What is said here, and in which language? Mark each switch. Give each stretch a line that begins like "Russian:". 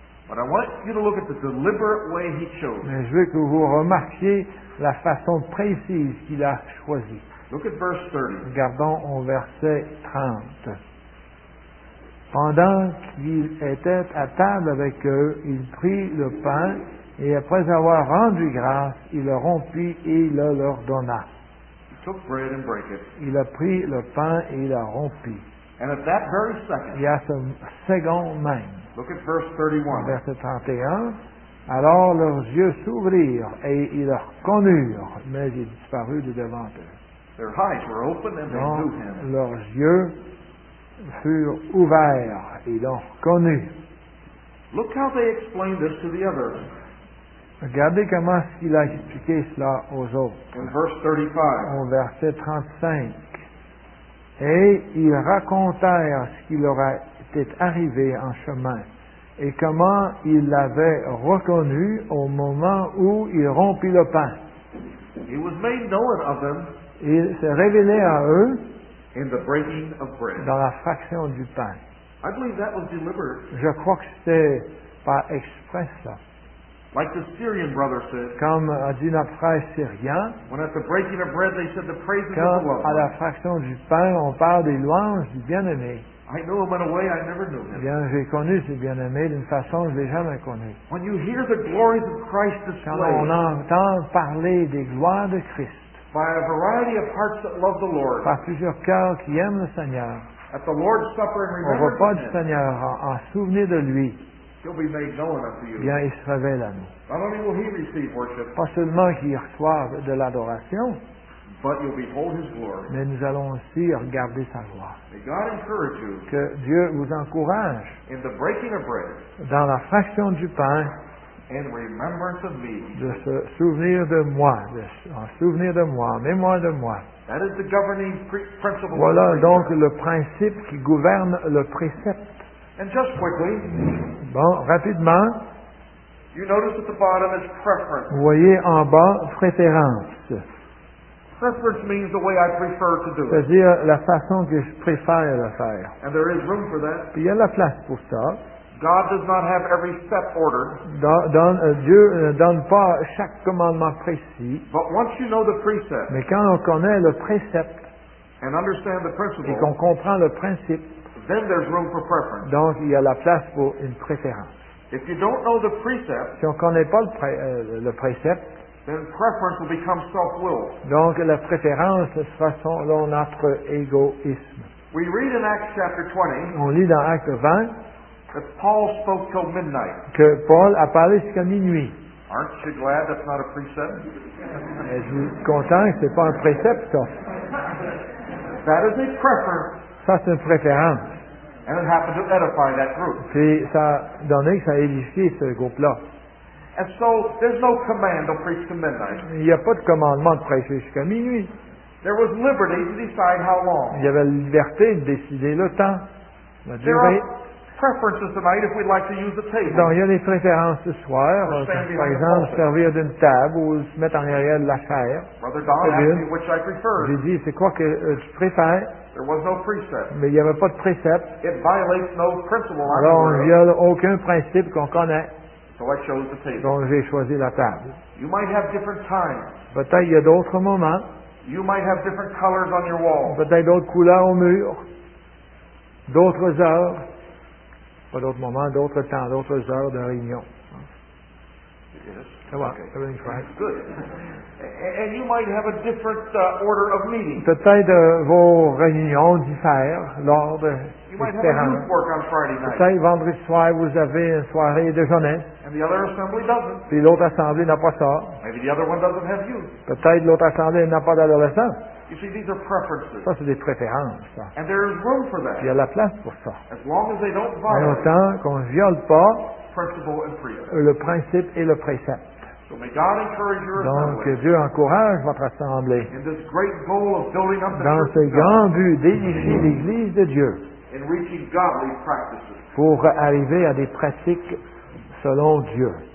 English: But I want you to look at the deliberate way he chose.
French: Mais je veux que vous remarquiez la façon précise qu'il a choisie.
English: Look at verse 30.
French: Regardons au verset 30. Pendant qu'il était à table avec eux, il prit le pain et après avoir rendu grâce, il le rompit et le leur donna.
English: He took bread and break it.
French: Il a pris le pain et il l'a rompu.
English: And at that very second.
French: Et à ce second même.
English: Look at verse 31.
French: Verset 31. Alors leurs yeux s'ouvrirent et ils le reconnurent, mais il disparut de devant eux.
English: Their eyes were open and
French: donc,
English: they knew him.
French: Leurs yeux furent ouverts et l'ont reconnu.
English: Look how they explained this to the others.
French: Regardez comment il a expliqué cela aux autres.
English: In verse 35.
French: Au verset 35. Et ils racontèrent ce qui leur a était arrivé en chemin et comment il l'avait reconnu au moment où il rompit le pain.
English: He was made known of them.
French: Il s'est révélé à eux
English: in the breaking of bread.
French: Dans la fraction du pain.
English: I believe that was deliberate.
French: Je crois que c'était par exprès ça.
English: Like the Syrian brother said,
French: comme a dit notre frère Syrien,
English: when at the breaking of bread they said the praises of the Lord.
French: Quand à la fraction du pain on parle des louanges du bien-aimé.
English: I knew him in a way I never knew him.
French: Bien, j'ai connu ce bien-aimé d'une façon que je n'ai jamais connu.
English: When you hear the glories of Christ displayed,
French: quand on entend parler des gloires de Christ,
English: by a variety of hearts that love the Lord,
French: par plusieurs cœurs qui aiment le Seigneur,
English: at the Lord's Supper and remember
French: au repas du Seigneur, en souvenir de lui,
English: he'll be made known unto you.
French: Bien, il se révèle à nous.
English: Not only will he receive worship,
French: pas seulement qu'il reçoive de l'adoration,
English: but you'll behold his glory.
French: Mais nous allons aussi regarder sa gloire.
English: May God encourage you.
French: Que Dieu vous encourage.
English: In the breaking of bread.
French: Dans la fraction du pain.
English: In remembrance of me.
French: De se souvenir de moi. En souvenir de moi. En mémoire de moi.
English: That is the governing principle.
French: Voilà donc le principe qui gouverne le précepte.
English: And just quickly.
French: Bon, rapidement.
English: You notice at the bottom is preference.
French: Vous voyez en bas, préférence.
English: Preference means the way I prefer to do it.
French: C'est-à-dire la façon que je préfère le faire.
English: And there is room for that.
French: Puis il y a la place pour ça.
English: God does not have every step ordered.
French: Dieu ne donne pas chaque commandement précis.
English: But once you know the precept,
French: mais quand on connaît le précepte
English: and understand the principle,
French: et qu'on comprend le principe,
English: then there's room for preference.
French: Donc il y a la place pour une préférence.
English: If you don't know the precept,
French: si on ne connaît pas le précepte,
English: then preference will become self-willed.
French: Donc la préférence sera selon notre égoïsme.
English: We read in Acts chapter 20.
French: On lit dans Actes 20
English: that Paul spoke till midnight.
French: Que Paul a parlé jusqu'à minuit.
English: Aren't you glad that's not a precept?
French: Êtes-vous content que c'est pas un précepte?
English: That is a preference.
French: Ça, c'est une préférence.
English: And it happened to edify that group.
French: Puis ça a donné que ça a édifié ce groupe-là.
English: And so there's no command to preach to midnight.
French: Il n'y a pas de commandement de prêcher jusqu'à minuit.
English: There was liberty to decide how long.
French: Il y avait la liberté de décider le temps, la
English: there
French: durée.
English: Are preferences tonight if we'd like to use the table.
French: Donc il y a des préférences ce soir, par exemple servir d'une table ou se mettre en arrière de la chaire.
English: Brother Don asked me which I preferred.
French: J'ai dit c'est quoi que je préfère.
English: There was no precept.
French: Mais il n'y avait pas de précepte.
English: It violates no principle.
French: Alors on ne viole aucun principe qu'on connaît.
English: So I chose the table.
French: Donc j'ai choisi la table.
English: You might have different times.
French: Peut-être il y a d'autres moments.
English: You might have different colors on your wall.
French: Peut-être d'autres couleurs au mur. D'autres heures. Pas d'autres moments, d'autres temps, d'autres heures de réunion.
English: Yes. Okay. Everything's right. Good. And you might have a different order of meeting.
French: Peut-être vos réunions diffèrent lors de
English: you might have a youth work on Friday night.
French: Peut-être vendredi soir, vous avez une soirée de jeunesse.
English: And the other assembly doesn't.
French: Puis l'autre assemblée n'a pas ça.
English: Maybe the other one doesn't have youth.
French: Peut-être l'autre assemblée n'a pas d'adolescents.
English: You see, these are preferences.
French: Ça, c'est des préférences. Ça.
English: And there is room for that.
French: Il y a la place pour ça.
English: As long as they don't violate.
French: Mais autant qu'on ne viole pas
English: principle and precept.
French: Le principe et le précepte.
English: So may God encourage your
French: donc,
English: assembly.
French: Que Dieu encourage votre assemblée
English: in this great goal of building up the
French: dans ce grand but d'édifier l'Église de Dieu
English: in reaching godly practices.
French: Pour arriver à des pratiques selon Dieu.